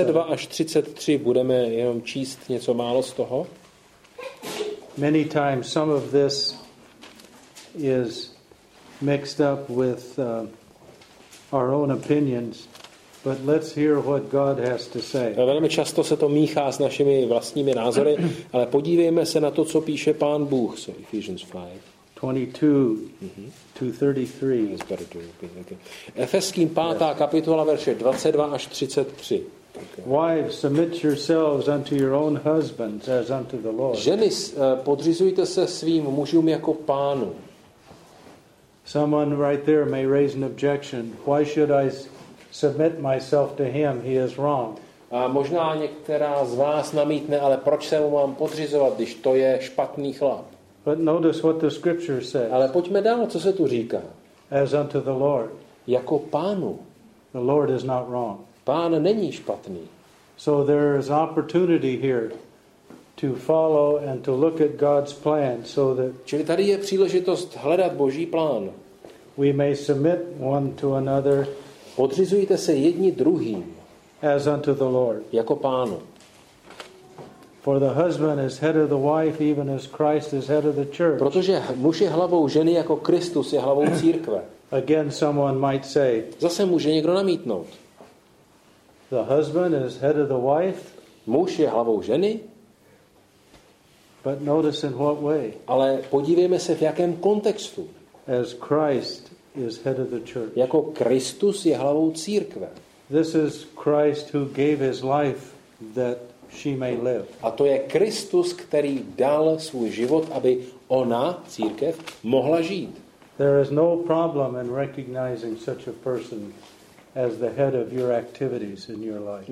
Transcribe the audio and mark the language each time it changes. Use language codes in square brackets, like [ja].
[cs] až 33 budeme jenom číst něco málo z toho. [en] Many times some of this is mixed up with our own opinions, but let's hear what God has to say. [cs] Velmi často se to míchá s našimi vlastními názory, ale podívejme se na to, co píše Pán Bůh. [en] So Ephesians 5. 22 to 33. [cs] Efeským 5. kapitola verše 22 až 33. [en] Wives, submit yourselves unto your own husbands as unto the Lord. [cs] Ženy, podřizujte se svým mužům jako Pánu. [en] Someone right there may raise an objection. Why should I submit myself to him? He is wrong. [cs] A možná některá z vás namítne, ale proč se mu mám podřizovat, když to je špatný chlap? [en] But notice what the scripture says. [cs] Ale pojďme dál, co se tu říká. [en] As unto the Lord. [cs] Jako Pánu. [en] The Lord is not wrong. [cs] Pán není špatný. [en] So there is opportunity here to follow and to look at God's plan so that. [cs] Čili tady je příležitost hledat Boží plán. [en] We may submit one to another. [cs] Podřizujte se jedni druhým. [en] As unto the Lord. [cs] Jako Pánu. [en] For the husband is head of the wife even as Christ is head of the church. [cs] Protože muž je hlavou ženy jako Kristus je hlavou církve. [en] Again someone might say. [cs] Zase může někdo namítnout. [en] The husband is head of the wife. [cs] Muž je hlavou ženy. [en] But notice in what way. [cs] Ale podívejme se v jakém kontextu. [en] As Christ is head of the church. [cs] Jako Kristus je hlavou církve. [en] This is Christ who gave his life that she may live. [cs] A to je Kristus, který dal svůj život, aby ona, církev, mohla žít. [en] There is no problem in recognizing such a person as the head of your activities in your life.